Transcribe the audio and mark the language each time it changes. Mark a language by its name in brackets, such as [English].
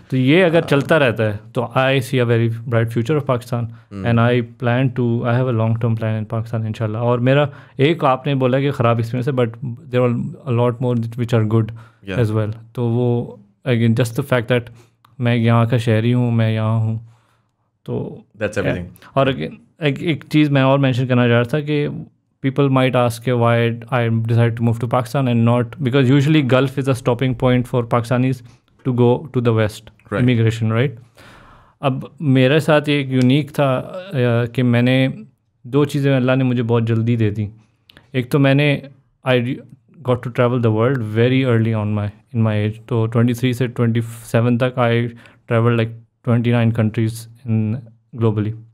[Urdu] تو یہ اگر چلتا رہتا ہے [English] تو I C a very bright future of Pakistan and I plan to I have a long term plan in Pakistan ان شاء اللہ. [Urdu] اور میرا ایک آپ نے بولا کہ خراب ایکسپیرینس ہے [English] but there are a lot more which are good as well [Urdu] تو وہ again just the fact that میں یہاں کا شہری ہوں میں یہاں ہوں تو [English] That's everything. [Urdu] اور اگین ایک چیز میں اور مینشن کرنا چاہ رہا تھا کہ [English] people might ask why I decided to move to Pakistan and not because usually Gulf is a stopping point for Pakistanis to go to the West right. immigration right. [Urdu] اب میرے ساتھ یہ ایک یونیک تھا کہ میں نے دو چیزیں اللہ نے مجھے بہت جلدی دے دیں. ایک تو میں نے [English] I got to travel the world very early on my in my age تو 23 سے 27 تک I travel like 29 countries in globally.